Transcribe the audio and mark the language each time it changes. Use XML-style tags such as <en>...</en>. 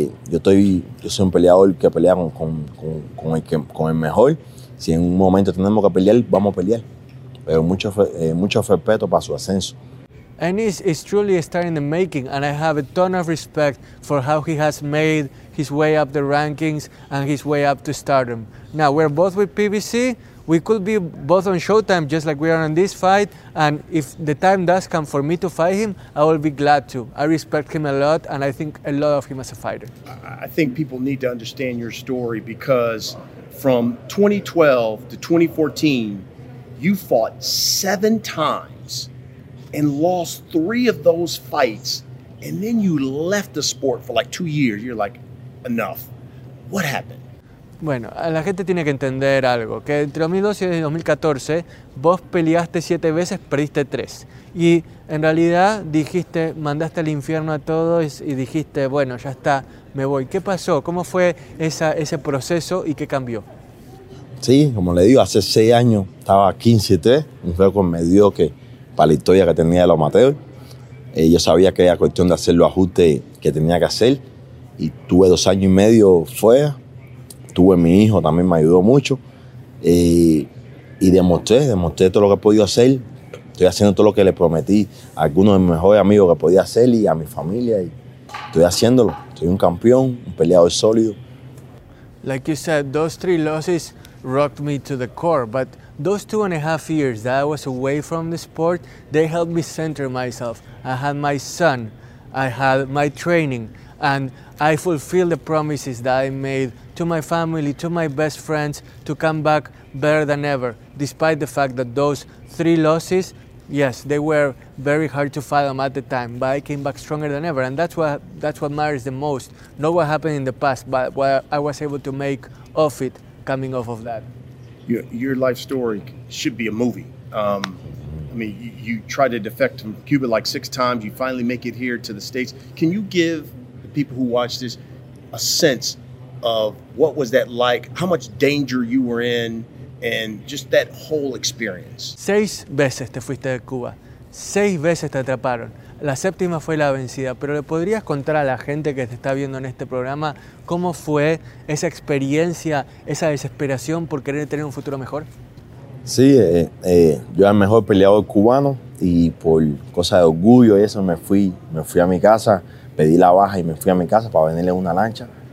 <es>Yo soy un peleador que pelea con el mejor. Si en un momento tenemos que pelear, vamos a pelear. Pero mucho respeto para su ascenso.</es> <en>Ennis is truly a star in the making, and I have a ton of respect for how he has made his way up the rankings and his way up to stardom. Now, we're both with PBC. We could be both on Showtime, just like we are on this fight. And if the time does come for me to fight him, I will be glad to. I respect him a lot, and I think a lot of him as a fighter. I think people need to understand your story because from 2012 to 2014, you fought seven times and lost three of those fights. And then you left the sport for like 2 years. You're like, enough. What happened?</en> <es>Bueno, la gente tiene que entender algo, que entre 2012 y 2014 vos peleaste 7 veces, perdiste 3. Y en realidad dijiste, mandaste al infierno a todos y dijiste, bueno, ya está, me voy. ¿Qué pasó? ¿Cómo fue ese proceso y qué cambió? Sí, como le digo, hace 6 años estaba 15-3, un récord medio que para la historia que tenía de los amateurs. Yo sabía que era cuestión de hacer los ajustes que tenía que hacer y tuve 2 años y medio fuera. Tuve mi hijo, también me ayudó mucho. Y demostré todo lo que he podido hacer. Estoy haciendo todo lo que le prometí a algunos de mis mejores amigos que podía hacer y a mi familia. Y estoy haciéndolo. Soy un campeón, un peleador sólido.</es> <en>Like you said, those 3 losses rocked me to the core. But those 2.5 years that I was away from the sport, they helped me center myself. I had my son, I had my training, and I fulfilled the promises that I made to my family, to my best friends, to come back better than ever, despite the fact that those 3 losses, yes, they were very hard to fight them at the time, but I came back stronger than ever, and that's what matters the most. Not what happened in the past, but what I was able to make of it coming off of that. Your life story should be a movie. You tried to defect from Cuba like 6 times, you finally make it here to the States. Can you give the people who watch this a sense of what was that like, how much danger you were in, and just that whole experience?</en> <es>6 veces te fuiste de Cuba. 6 veces te atraparon. La séptima fue la vencida. Pero le podrías contar a la gente que te está viendo en este programa cómo fue esa experiencia, esa desesperación por querer tener un futuro mejor? Sí, yo era el mejor peleador cubano y por cosa de orgullo y eso me fui a mi casa, pedí la baja y me fui a mi casa para venirle una lancha.</es>